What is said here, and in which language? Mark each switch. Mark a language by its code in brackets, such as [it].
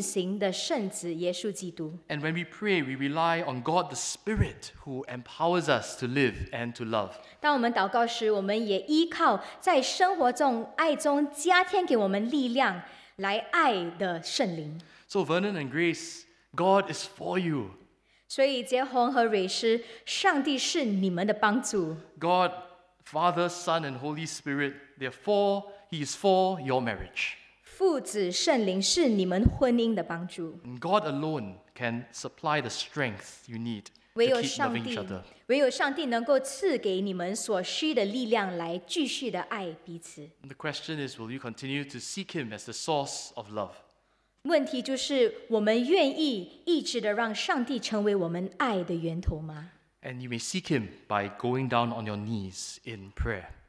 [zh] 当我们依靠那位从罪恶救赎我们，借着信心在我们心中运行的圣子耶稣基督。 [en] And when we pray, we rely on God the Spirit who empowers us to live and to love. [zh] 当我们祷告时，我们也依靠在生活中爱中加添给我们力量来爱的圣灵。 [en] So Vernon and Grace, God is for you. [zh] 所以杰宏和蕊诗，上帝是你们的帮助。 [en] God, Father, Son, and Holy Spirit, they're for, He is for your marriage. [zh] 父子圣灵是你们婚姻的帮助。 [en] God alone can supply the strength you need to keep loving each other. [zh] 唯有上帝能够赐给你们所需的力量来继续的爱彼此。 [en] The question is, will you continue to seek Him as the source of love? [zh] 问题就是我们愿意一直的让上帝成为我们爱的源头吗？ [en] And you may seek Him by going down on your knees in prayer.